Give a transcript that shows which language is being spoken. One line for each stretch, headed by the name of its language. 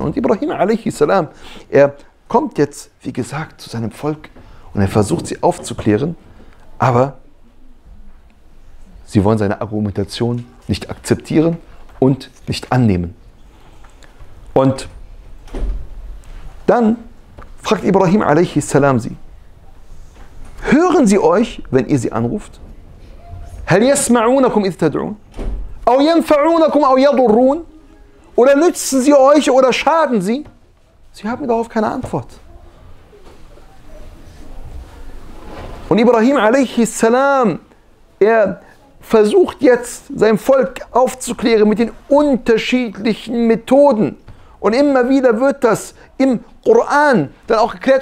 German: Und Ibrahim alayhi salam, er kommt jetzt, wie gesagt, zu seinem Volk und er versucht sie aufzuklären, aber sie wollen seine Argumentation nicht akzeptieren und nicht annehmen. Und dann fragt Ibrahim alayhi salam sie: Hören sie euch, wenn ihr sie anruft?
Arabic: هل يسمعونكم إذ تدعون أو ينفعونكم أو يضرون
German: oder nützen sie euch oder schaden sie? Sie haben darauf keine Antwort. Und Ibrahim alayhi salam, er versucht jetzt sein Volk aufzuklären mit den unterschiedlichen Methoden. Und immer wieder wird das im Koran dann auch geklärt.